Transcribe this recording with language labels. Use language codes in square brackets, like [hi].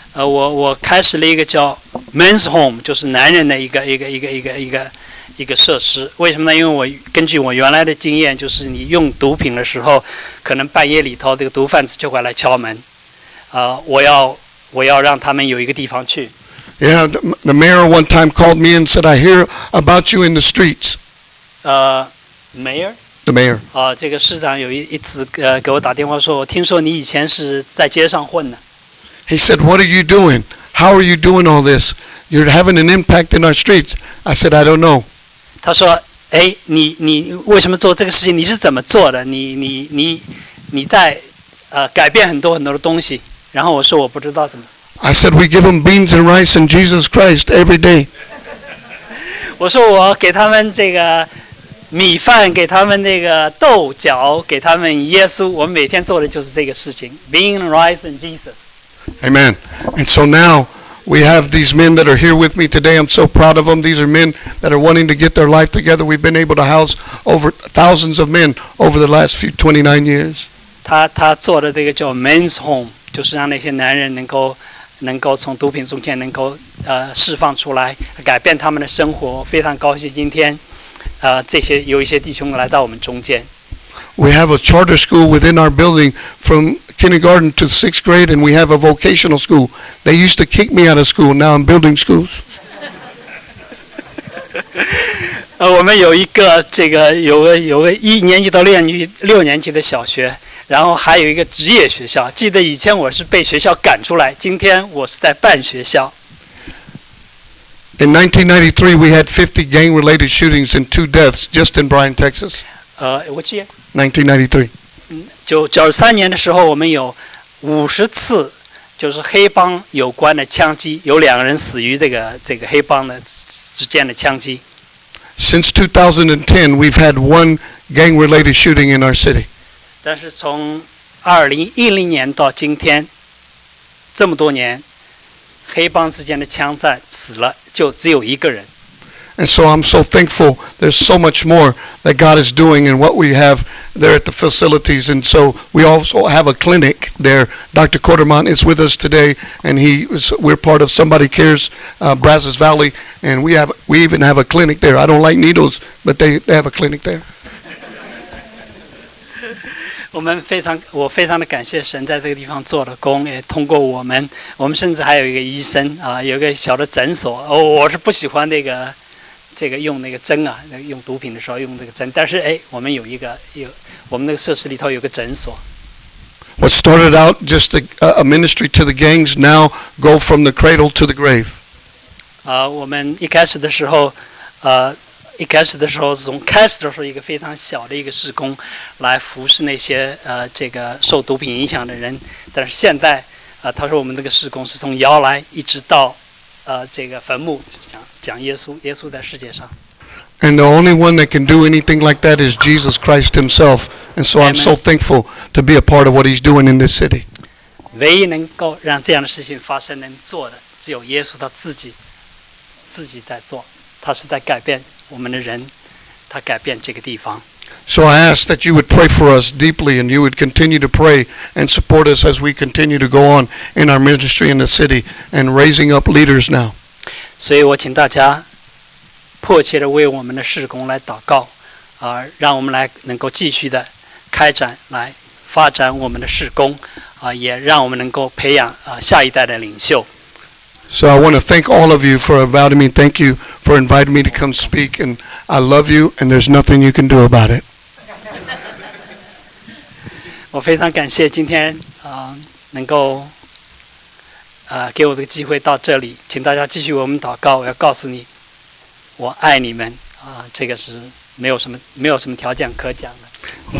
[zh] 我开始了一个叫 [en] men's home， [zh] 就是男人的一个设施。为什么呢？因为我根据我原来的经验，就是你用毒品的时候，可能半夜里头这个毒贩子就会来敲门。我要让他们有一个地方去。 [en] Yeah, the mayor one time called me and said, "I hear about you in the streets." Mayor. The mayor. [zh] 这个市长有一次给我打电话说，我听说你以前是在街上混的。 [en] He said, "What are you doing? How are you doing all this? You're having an impact in our streets." I said, "I don't know." [zh] 他说，哎，你为什么做这个事情？你是怎么做的？你在改变很多的东西。然后我说我不知道怎么。 [en] I said we give them beans and rice and Jesus Christ every day. [zh] 我说我给他们这个米饭，给他们那个豆角，给他们耶稣。我每天做的就是这个事情 ， [en] beans and rice and Jesus. Amen. And so now we have these men that are here with me today. I'm so proud of them. These are men that are wanting to get their life together. We've been able to house over thousands of men over the last few 29 years. [zh] 他做的这个叫 [en] men's home。 [zh] 就是让那些男人能够从毒品中间能够释放出来，改变他们的生活。非常高兴今天，这些有一些弟兄来到我们中间。 [en] We have a charter school within our building from kindergarten to sixth grade, and we have a vocational school. They used to kick me out of school. Now I'm building schools. [zh] 我们有一个这个有个一年级到六年级的小学。然后还有一个职业学校，记得以前我是被学校赶出来，今天我是在办学校。 [en] In 1993, we had 50 gang-related shootings and 2 deaths just in Bryan, Texas. What year? 1993. [zh] 93年的时候，我们有50次就是黑帮有关的枪击，有两个人死于这个黑帮的之间的枪击。 [en] Since 2010, we've had 1 gang-related shooting in our city. [zh] 但是从2010年到今天，这么多年，黑帮之间的枪战死了就只有一个人。 [en] And so I'm so thankful. There's so much more that God is doing and what we have there at the facilities. And so we also have a clinic there. Dr. Quartermont is with us today, and we're part of Somebody Cares, Brazos Valley, and we even have a clinic there. I don't like needles, but they have a clinic there. [zh] 我非常的感谢神在这个地方做的工，也通过我们甚至还有一个医生有一个小的诊所。我是不喜欢这个用那个针用毒品的时候用那个针，但是我们有一个有我们那个设施里头有个诊所。 [en] What started out just a ministry to the gangs now go from the cradle to the grave. [zh] 我们一开始的时候一开始的时候是从开始的时候一个非常小的一个事工来服侍那些这个受毒品影响的人，但是现在他说我们那个事工是从摇篮一直到这个坟墓，讲耶稣在世界上。 [en] And the only one that can do anything like that is Jesus Christ himself. And so I'm so thankful to be a part of what he's doing in this city. [zh] 唯一能够让这样的事情发生能做的只有耶稣他自己在做，他是在改变我们的人，他改变这个地方。 [en] So I ask that you would pray for us deeply, and you would continue to pray and support us as we continue to go on in our ministry in the city and raising up leaders now. [zh] 所以我请大家迫切地为我们的事工来祷告，让我们来能够继续地开展来发展我们的事工，也让我们能够培养下一代的领袖。 [en] So I want to thank all of you for inviting me. Thank you for inviting me to come speak. And I love you, and there's nothing you can do about it. [zh] 我非常感谢今天能够给我的机会到这里，请大家继续为我们祷告。我要告诉你，我爱你们这个是没有什么条件可讲的。